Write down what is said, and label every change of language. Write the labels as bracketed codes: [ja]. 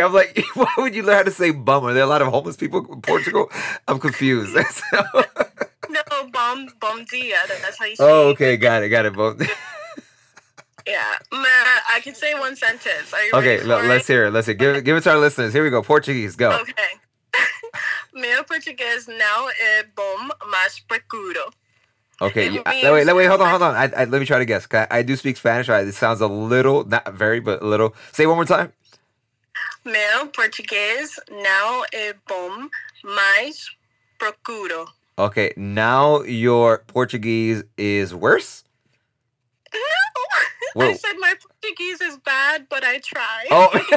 [en] I'm like, why would you learn how to say bum? Are there a lot of homeless people in Portugal? I'm confused. No, [pt] bom dia. [en] That's how you say it. Oh, okay. Got it. Bom. Yeah. I can say one sentence. Are you okay, ready? Let's hear it. Okay. Give it to our listeners. Here we go. Portuguese, go. Okay. [pt] Meu português não é bom, mas procuro. [en] Okay, wait, hold on. I let me try to guess. I do speak Spanish. Right? It sounds a little, not very, but a little. Say it one more time. [pt] Meu português não é bom, mas procuro. [en] Okay, now your Portuguese is worse? No! Whoa. I said my Portuguese is bad, but I try. Oh!